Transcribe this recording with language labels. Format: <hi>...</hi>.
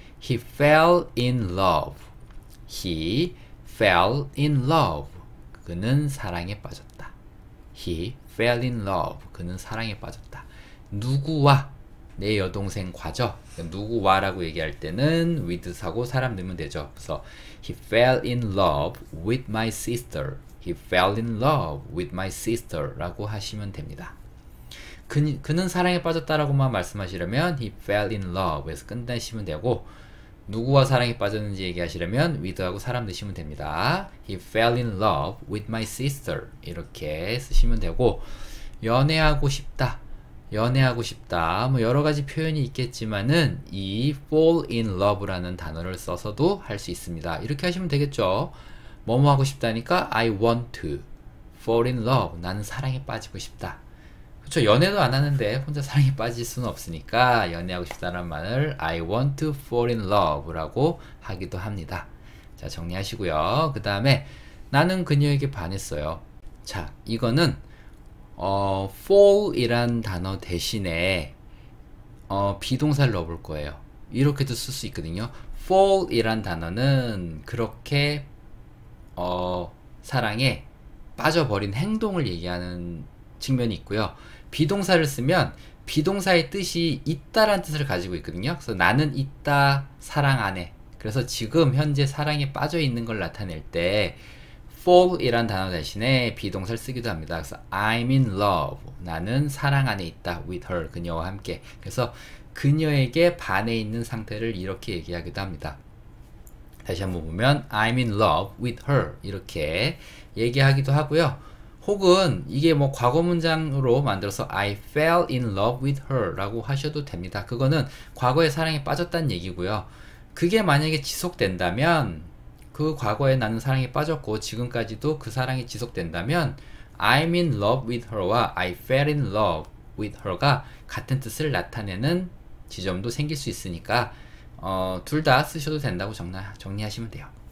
<en>He fell in love. He fell in love.</en> <ko>그는 사랑에 빠졌다.</ko> <en>He fell in love.</en> <ko>그는 사랑에 빠졌다. 누구와? 내 여동생과죠. 누구와라고 얘기할 때는 with하고 사람 넣으면 되죠. 그래서</ko> <en>He fell in love with my sister. He fell in love with my sister라고 하시면 됩니다.</en> <ko>그는 사랑에 빠졌다라고만 말씀하시려면</ko> <en>He fell in love</en> <ko>에서 끝내시면 되고 누구와 사랑에 빠졌는지 얘기하시려면 with하고 사람 넣으시면 됩니다.</ko> <en>He fell in love with my sister</en> <ko>이렇게 쓰시면 되고 연애하고 싶다, 연애하고 싶다 뭐 여러 가지 표현이 있겠지만은 이 fall in love라는 단어를 써서도 할수 있습니다. 이렇게 하시면 되겠죠. 뭐뭐 하고 싶다니까</ko> <en>I want to fall in love.</en> <ko>나는 사랑에 빠지고 싶다. 그쵸? 연애도 안 하는데 혼자 사랑에 빠질 수는 없으니까 연애하고 싶다는 말을 I want to fall in love라고 하기도 합니다. 자, 정리하시고요. 그 다음에 나는 그녀에게 반했어요. 자, 이거는 fall 이란 단어 대신에 비동사를 넣어볼 거예요. 이렇게도 쓸수 있거든요. fall 이란 단어는 그렇게 사랑에 빠져버린 행동을 얘기하는 측면이 있고요. 비동사를 쓰면 비동사의 뜻이 있다라는 뜻을 가지고 있거든요. 그래서 나는 있다, 사랑 안에. 그래서 지금 현재 사랑에 빠져 있는 걸 나타낼 때 fall이란 단어 대신에 비동사를 쓰기도 합니다. 그래서</ko> <en>I'm in love.</en> <ko>나는 사랑 안에 있다. with her. 그녀와 함께. 그래서 그녀에게 반해 있는 상태를 이렇게 얘기하기도 합니다. 다시 한번 보면</ko> <en>I'm in love with her.</en> <ko>이렇게 얘기하기도 하고요. 혹은 이게 뭐 과거 문장으로 만들어서</ko> <en>I fell in love with her</en> <ko>라고 하셔도 됩니다. 그거는 과거에 사랑에 빠졌다는 얘기고요. 그게 만약에 지속된다면, 그 과거에 나는 사랑에 빠졌고 지금까지도 그 사랑이 지속된다면 I'm in love with her와 I fell in love with her가 같은 뜻을 나타내는 지점도 생길 수 있으니까 둘다 쓰셔도 된다고 정리하시면 돼요.</ko>